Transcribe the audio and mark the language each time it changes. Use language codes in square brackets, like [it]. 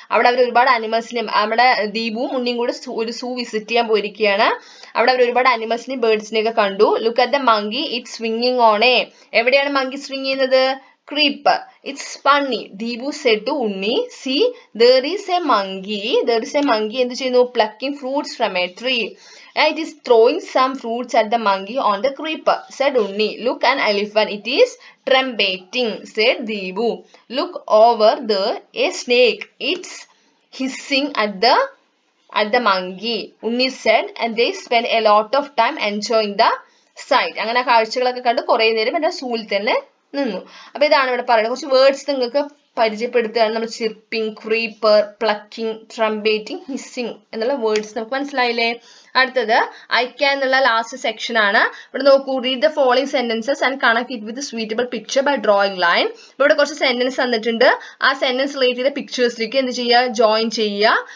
[ml] അവിടെ അവർ ഒരുപാട് അനിമൽസിനെയും, നമ്മുടെ ദീപും ഉണ്ണിയും കൂടെ ഒരു സൂ വിസിറ്റ് ചെയ്യാൻ പോയിരിക്കുകയാണ്. അവിടെ അവർ ഒരുപാട് അനിമൽസിനെയും ബേർഡ്സിനെയും ഒക്കെ കണ്ടു. [en] look at the monkey, it swinging ഓണേ, [ml] എവിടെയാണ് മങ്കി സ്വിംഗ് ചെയ്യുന്നത്, creeper. [en] it's funny, Deepu said to Unni, see there is a monkey, there is a monkey [ml] എന്ത് ചെയ്യുന്നു, [en] Plucking fruits from a tree. And it is throwing some fruits at the monkey on the creeper, said Unni. Look an elephant, it is trembating, said Deebu. Look over there, a snake, it's hissing at the monkey, Unni said. And they spend a lot of time enjoying the sight. [ml] Angana kaarchagalokke kandu kore neram enna soolil thanne ninnu. Appo idaanu ivada parayana konchu words ningalkku പരിചയപ്പെടുത്തുകയാണ്. നമ്മൾ chirping, creeper, plucking, ട്രംപേറ്റിംഗ്, hissing എന്നുള്ള words നമുക്ക് മനസ്സിലായില്ലേ. അടുത്തത് ഐക്യാ എന്നുള്ള last section ആണ്. ഇവിടെ നോക്കൂ, [en] Read the following sentences and connect it with suitable picture by drawing line. [ml] ഇവിടെ കുറച്ച് സെന്റൻസ് തന്നിട്ടുണ്ട്, ആ സെന്റൻസ് റിലേറ്റ് ചെയ്ത പിക്ചേഴ്സിലേക്ക് എന്ത് ചെയ്യുക, ജോയിൻ ചെയ്യുക.